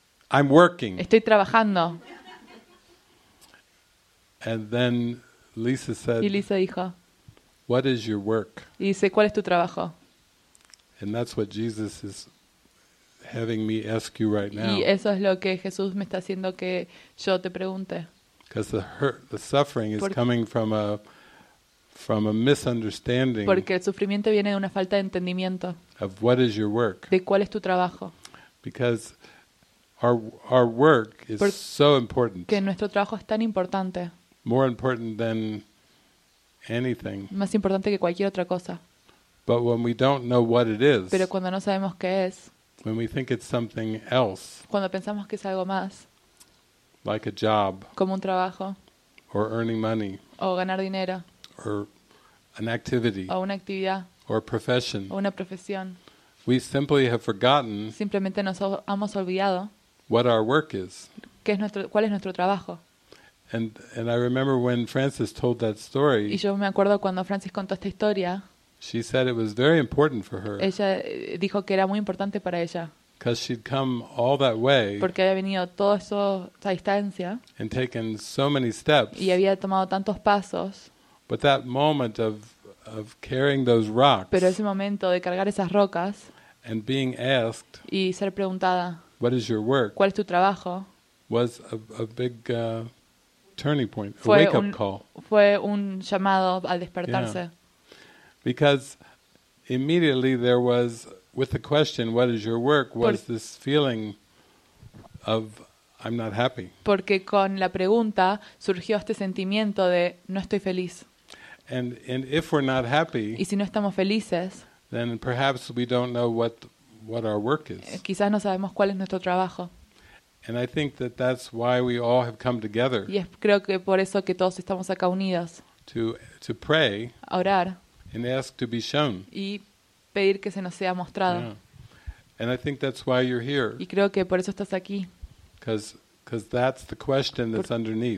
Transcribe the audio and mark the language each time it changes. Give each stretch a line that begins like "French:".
English: I'm working.
Spanish: Estoy trabajando.
English: And then Lisa said.
Spanish: Y Lisa dijo.
English: What is your work?
Spanish: Y dice, ¿cuál es tu trabajo?
English: And that's what Jesus is having me ask you right now.
Spanish: Y eso es lo que Jesús me está haciendo que yo te pregunte.
English: Because the hurt, the suffering is coming from a misunderstanding.
Spanish: Porque el sufrimiento viene de una falta de entendimiento.
English: Of what is your work?
Spanish: De cuál es tu trabajo.
English: Because our work is so important.
Spanish: Que nuestro trabajo es tan importante.
English: More important than anything.
Spanish: Más importante que cualquier otra cosa.
English: But when we don't know what it is,
Spanish: pero cuando no sabemos qué es,
English: when we think it's something else,
Spanish: cuando pensamos que es algo más,
English: like a job,
Spanish: como un trabajo,
English: or earning money,
Spanish: o ganar dinero,
English: or an activity,
Spanish: o una actividad,
English: or a profession,
Spanish: o una profesión,
English: we simply have forgotten,
Spanish: simplemente nos hemos olvidado,
English: what our work is,
Spanish: qué es nuestro, cuál es nuestro trabajo.
English: And I remember when Frances told that story.
Spanish: Y yo me acuerdo cuando Frances contó esta historia.
English: She said it was very important for her.
Spanish: Ella dijo que era muy importante para ella.
English: Because she'd come all that way.
Spanish: Porque había venido toda esa distancia.
English: And taken so many steps.
Spanish: Y había tomado tantos pasos.
English: But that moment of carrying those rocks.
Spanish: Pero ese momento de cargar esas rocas.
English: And being asked.
Spanish: Y ser preguntada.
English: What is your work?
Spanish: ¿Cuál es tu trabajo?
English: Was a big turning point, a wake-up call.
Spanish: Fue un llamado al despertarse. Yeah.
English: Because immediately there was, with the question, what is your work, was this feeling of, I'm not happy.
Spanish: Porque con la pregunta surgió este sentimiento de, no estoy feliz.
English: And if we're not happy,
Spanish: y si no estamos felices,
English: then perhaps we don't know what our work is.
Spanish: Quizás no sabemos cuál es nuestro trabajo.
English: And I think that that's why we all have come together.
Spanish: Y creo que por eso que todos estamos acá unidos.
English: To pray.
Spanish: A orar.
English: And ask to be shown.
Spanish: Y pedir que se nos sea mostrado.
English: Yeah. And I think that's why you're here.
Spanish: Y creo que por eso estás aquí.
English: Because that's the question that's underneath.